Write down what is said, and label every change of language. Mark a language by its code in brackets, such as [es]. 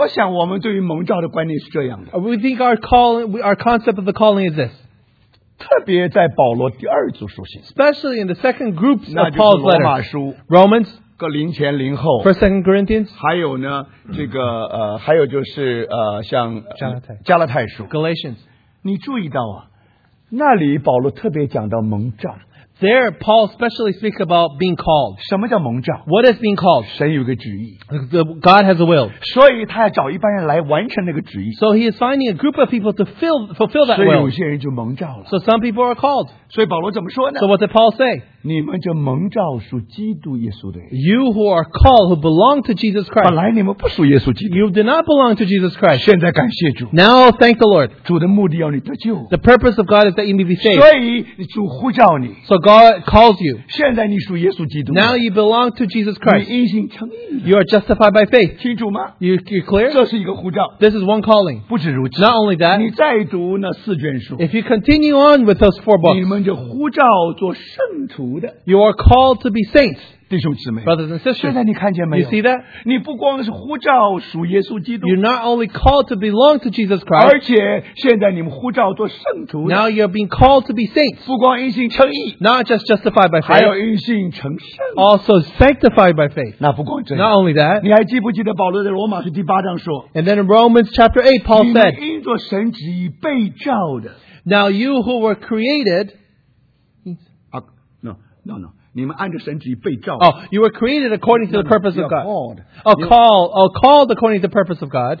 [zh] 我想我们对于蒙召的观念是这样的, [en] we think our calling, our concept of the calling is this. [zh] 特别在保罗第二组书信, [en] especially in the second group of Paul's letters, Romans, [zh] 林前林后, [en] First and Corinthians, [zh] 还有呢, 这个, 还有就是, 像, 加拉太, 加拉太书, [en] Galatians. [zh] 你注意到啊, 那里保罗特别讲到蒙召, [en] there Paul specially speaks about being called. [zh] 什么叫蒙召? [en] What is being called? [zh] 神有个旨意, [en] God has a will. [zh] 所以他要找一般人来完成那个旨意, [en] so he is finding a group of people to fulfill that will. [zh] 所以有些人就蒙召了, [en] so some people are called. [zh] 所以保罗怎么说呢? [en] So what did Paul say? [zh] 你们就蒙召属基督耶稣的人, [en] you who are called, who belong to Jesus Christ. [zh] 本来你们不属耶稣基督, [en] you do not belong to Jesus Christ. [zh] 现在感谢主, [en] now thank the Lord. [zh] 主的目的要你得救, [en] the purpose of God is that you may be saved. [zh] 所以主呼召你, [en] so God calls you. [zh] 现在你属耶稣基督, [en] now you belong to Jesus Christ. [zh] 你已经成义了, [en] you are justified by faith. [zh] 清楚吗? [en] You're clear? [zh] 这是一个呼召, [en] this is one calling. [zh] 不止如此, [en] not only that, [zh] 你再读那四卷书, [en] if you continue on with those four books, [zh] 你们就呼召做圣徒的, [en] you are called to be saints. [zh] 弟兄姊妹, [en] brothers and sisters, [zh] 现在你看见没有? [en] You see that? [zh] 你不光是呼召属耶稣基督, [en] you're not only called to belong to Jesus Christ, [zh] 而且现在你们呼召做圣徒, [en] now you're being called to be saints. [zh] 不光因信称义, [en] not just justified by faith, [zh] 还有因信成圣, [en] also sanctified by faith. [zh] 那不光这样, [en] not only that, [zh] 你还记不记得保罗在罗马书第八章说, [en] and then in Romans chapter 8 Paul said, [zh] 你们因着神旨意被召的, [en] now you who were created, [zh] no, 你们按着神旨意被召, [en] oh, you were created according to the purpose of God. Called. Called according to the purpose of God.